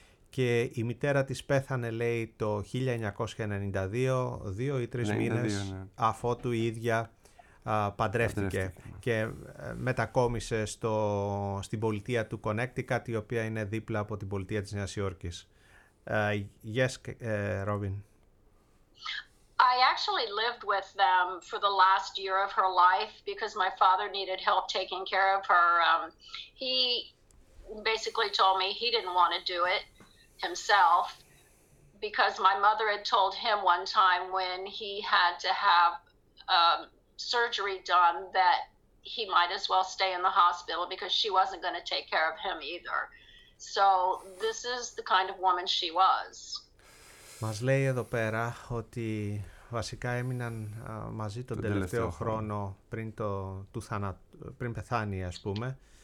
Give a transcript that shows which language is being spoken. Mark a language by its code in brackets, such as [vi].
[el] Και η μητέρα της πέθανε, λέει, το 1992, 2 ή 3 μήνες, αφότου η ίδια παντρεύτηκε και μετακόμισε στην πολιτεία του Connecticut, η οποία είναι δίπλα από την πολιτεία της Νέας Υόρκης. [en] Yes, Robin. I actually lived with them for the last year of her life because my father needed help taking care of her. He basically told me he didn't want to do it himself, because my mother had told him one time when he had to have surgery done that he might as well stay in the hospital because she wasn't going to take care of him either. So this is the kind of woman she was. [el] Μας λέει εδώ πέρα ότι βασικά έμειναν μαζί τον τελευταίο χρόνο πριν το του πριν πεθάνει, ας πούμε.